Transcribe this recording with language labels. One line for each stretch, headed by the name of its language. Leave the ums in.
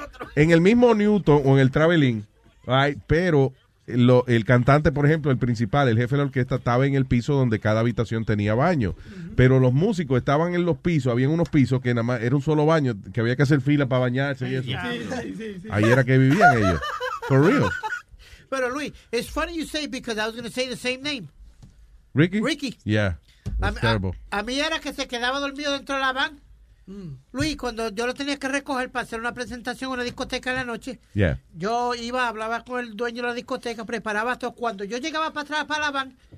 Spanish: Ni En el mismo Newton o en el Traveling, Ay, right, pero lo, el cantante, por ejemplo, el principal, el jefe de la orquesta, estaba en el piso donde cada habitación tenía baño. Uh -huh. Pero los músicos estaban en los pisos, había unos pisos que nada más, era un solo baño, que había que hacer fila para bañarse Ay, y eso. Yeah, Ahí, sí, sí. Ahí era que vivían ellos.
English: For real.
Spanish: Pero Luis, es
English: funny you say because I was going to say the same name. Ricky? Ricky. Yeah. A, terrible.
Spanish: A, a, mí era que se quedaba dormido dentro de la van. Luis, cuando yo lo tenía que recoger para hacer una presentación en una discoteca en la noche, yeah. yo iba, hablaba con el dueño de la discoteca, preparaba todo. Cuando yo llegaba para atrás para la van,